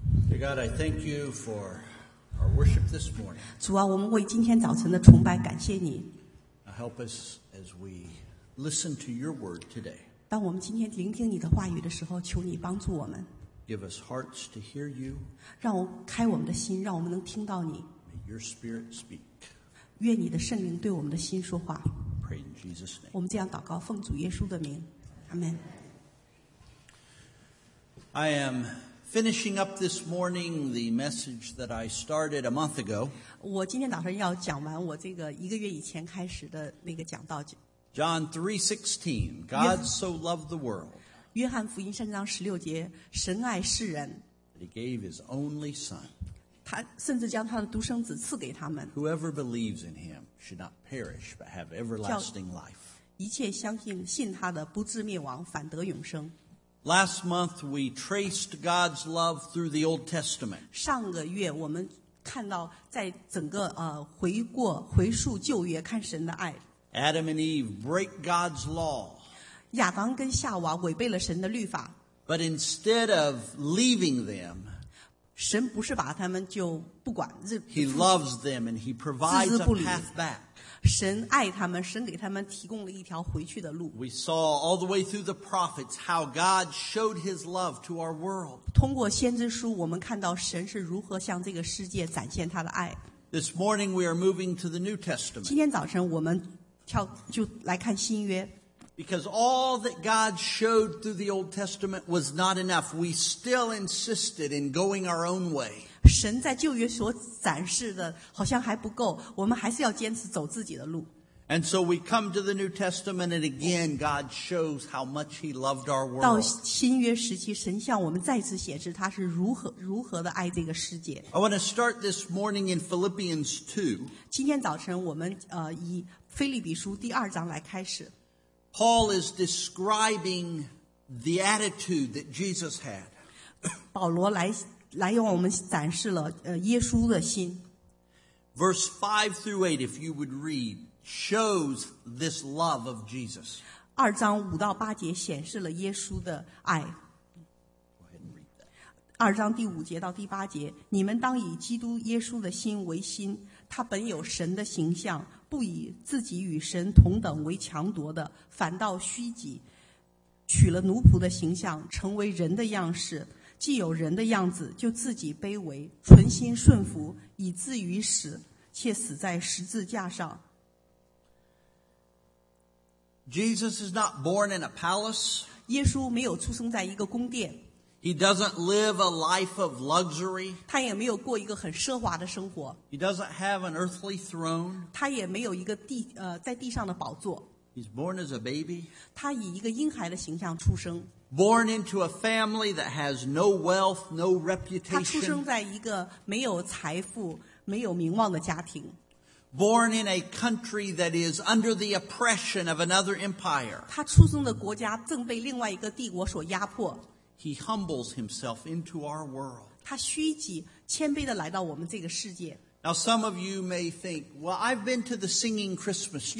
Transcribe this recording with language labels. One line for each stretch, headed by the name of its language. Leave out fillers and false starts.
English: Dear God, I thank you for our worship this morning.
Chinese: 主啊，我们为今天早晨的崇拜感谢你。
English: Now help us as we listen to your word today.
Chinese: 当我们今天聆听你的话语的时候，求你帮助我们。
English: Give us hearts to hear you.
Chinese: 让我开我们的心，让我们能听到你。
English: May your spirit speak.
Chinese: 愿你的圣灵对我们的心说话。
English: Pray in Jesus' name.
Chinese: 我们这样祷告，奉主耶稣的名，阿门。
English: I am finishing up this morning the message that I started a month ago.
Chinese: 我今天打算要讲完我这个一个月以前开始的那个讲道。
English: John 3:16, God so loved the world.
Chinese: 约翰福音三章十六节，神爱世人。
English: He gave his only son.
Chinese: 他甚至将他的独生子赐给他们。
English: Whoever believes in him should not perish but have everlasting life.
Chinese: 一切相信信他的不至灭亡，反得永生。
English: Last month, we traced God's love through the Old Testament.
Chinese: 上个月我们看到在整个回溯旧约看神的爱。
English: Adam and Eve break God's law.
Chinese: 亚当跟夏娃违背了神的律法。
English: But instead of leaving them,
Chinese: 神不是把他们就不管。
English: He loves them and he provides a path back.
Chinese: 神爱他们，神给他们提供了一条回去的路。
English: We saw all the way through the prophets how God showed his love to our world.
Chinese: 通过先知书，我们看到神是如何向这个世界展现他的爱。
English: This morning we are moving to the New Testament.
Chinese: 今天早晨我们就来看新约。
English: Because all that God showed through the Old Testament was not enough. We still insisted in going our own way.
Chinese: 神在旧约所展示的好像还不够，我们还是要坚持走自己的路。
English: And so we come to the New Testament and again God shows how much he loved our world.
Chinese: 到新约时期，神向我们再次显示他是如何的爱这个世界。
English: I want to start this morning in Philippians 2.
Chinese: 今天早晨我们以腓立比书第二章来开始。
English: Paul is describing the attitude that Jesus had.
Chinese: 保罗来用我们展示了耶稣的心。
English: Verse 5 through 8, if you would read, shows this love of Jesus.
Chinese: 二章五到八节显示了耶稣的爱。二章第五节到第八节，你们当以基督耶稣的心为心，他本有神的形象，不以自己与神同等为强夺的，反倒虚己，取了奴仆的形象，成为人的样式。既有人的样子，就自己卑微，存心顺服，以至于死，且死在十字架上。
English: Jesus is not born in a palace.
Chinese: 耶稣没有出生在一个宫殿。
English: He doesn't live a life of luxury.
Chinese: 他也没有过一个很奢华的生活。
English: He doesn't have an earthly throne.
Chinese: 他也没有一个在地上的宝座。
English: He's born as a baby.
Chinese: 他以一个婴孩的形象出生。
English: Born into a family that has no wealth, no reputation.
Chinese: 他出生在一个没有财富、没有名望的家庭。
English: Born in a country that is under the oppression of another empire.
Chinese: 他出生的国家正被另外一个帝国所压迫。
English: He humbles himself into our world.
Chinese: 他虚己，谦卑地来到我们这个世界。
English: Now some of you may think, well, I've been to the singing Christmas tree.